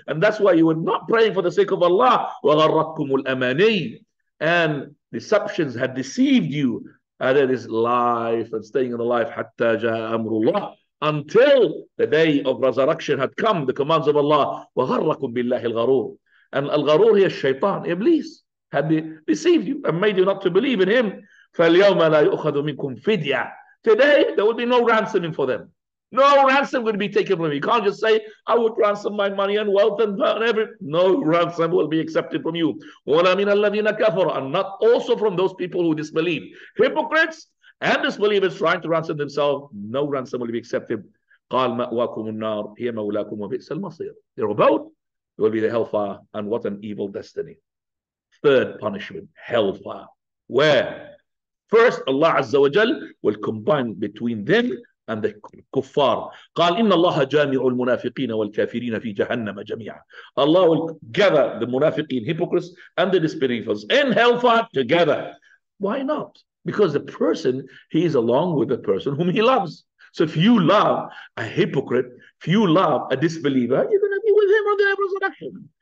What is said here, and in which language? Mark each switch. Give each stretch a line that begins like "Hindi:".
English: And that's why you were not praying for the sake of Allah.
Arabic: وغرقكم الأماني.
English: And deceptions had deceived you. And it is life and staying in the life.
Arabic: حتى جاء أمر الله.
English: Until the day of resurrection had come, the commands of Allah.
Arabic: وغرقكم بالله الغرور. And الغرور هي الشيطان, Iblis.
English: Had deceived you and made you not to believe in him.
Arabic: فَالْيَوْمَ لَا يُؤْخَذُ مِنْكُمْ فِدْيَةً.
English: Today, there will be no ransoming for them. No ransom will be taken from you. You can't just say, I would ransom my money and wealth and everything. No ransom will be accepted from you.
Arabic: وَلَا مِنَ الَّذِينَ كَفَرُ.
English: And not also from those people who disbelieve. Hypocrites and disbelievers trying to ransom themselves. No ransom will be accepted.
Arabic: قَالْ مَأْوَاكُمُ النَّارُ هِيَ مَوْلَاكُمْ وَبِئْسَ الْمَصِيرُ.
English: Your abode will be the hellfire, and what an evil destiny. Third punishment, hellfire. Where? First, Allah Azza wa Jal will combine between them and the kuffar.
Arabic: قال إن الله جامع المنافقين والكافرين في جهنم جميعا.
English: Allah will gather the munafiqeen, hypocrites, and the disbelievers in hellfire together. Why not? Because the person, he is along with the person whom he loves. So if you love a hypocrite, if you love a disbeliever, you're going to be with him on the day of resurrection.